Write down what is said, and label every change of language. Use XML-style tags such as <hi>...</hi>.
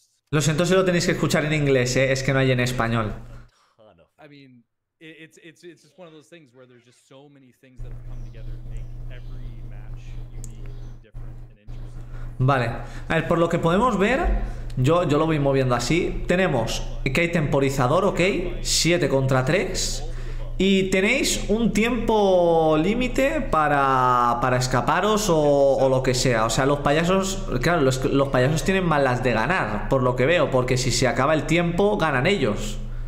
<es>Lo siento si lo tenéis que escuchar en inglés, ¿eh? Es que no hay en español.</es> <en>It's just one of those things where there's just so many things that have come together to make every match unique and different and interesting.</en> <es>Vale, a ver, por lo que podemos ver, yo lo voy moviendo así. Tenemos que hay temporizador, ok, 7 contra 3. Y tenéis un tiempo límite para escaparos o lo que sea. O sea, los payasos, claro, los payasos tienen más las de ganar, por lo que veo, porque si se acaba el tiempo, ganan ellos.</es>